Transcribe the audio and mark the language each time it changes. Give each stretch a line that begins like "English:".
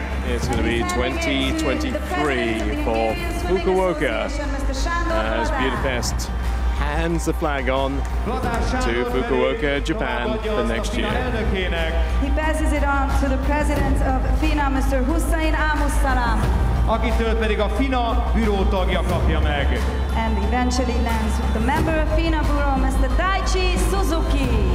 English: It's going to be 2023 for Fukuoka, as Budapest hands the flag on to Fukuoka, Japan, for next year. He passes it on to the president of FINA, Mr. Hussein Amusalam,
Hungarian: akitől pedig a FINA büró tagja kapja meg.
English: And eventually lands with the member of FINA bureau, Mr. Daichi Suzuki.